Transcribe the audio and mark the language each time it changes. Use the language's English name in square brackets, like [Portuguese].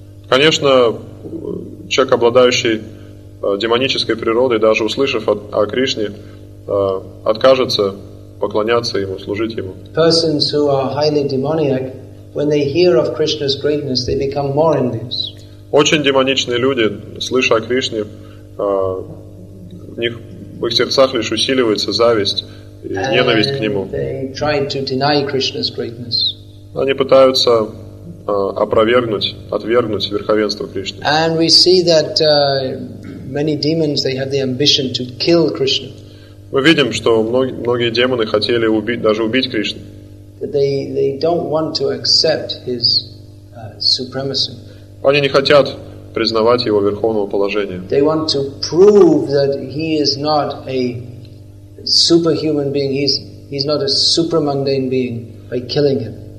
[Russian] Конечно, человек, обладающий демонической природой, даже услышав о Кришне, откажется поклоняться ему, служить ему. [English] Persons who are highly demoniac, when they hear of Krishna's greatness, they become more envious. [Russian] Очень демоничные люди, слыша о Кришне, в их сердцах лишь усиливается зависть и ненависть к нему. [English] They try to deny Krishna's greatness. [Russian] Они пытаются опровергнуть, отвергнуть верховенство Кришны. [English] And we see that many demons, they have the ambition to kill Krishna. [Russian] Мы видим, что многие демоны хотели убить, даже убить Кришну. [English] They don't want to accept his supremacy. [Russian] Они не хотят признавать его верховного положения. [English] They want to prove that he is not a superhuman being, he's not a supermundane being by killing him.